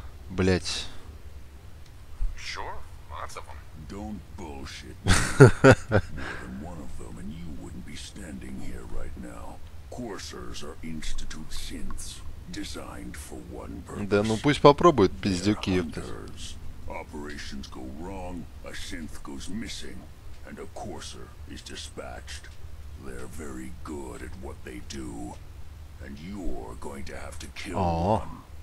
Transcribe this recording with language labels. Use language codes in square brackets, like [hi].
[ru] Блять. [en] Sure, lots of them. Don't bullshit. More than one of them, and you wouldn't be standing here right now. Coursers are Institute synths, designed for one purpose. [ru] Да ну пусть попробует, пиздюки. [en] Operations go wrong, a synth goes missing, and a courser is dispatched. They're very good at what they do, and you're going to have to kill one.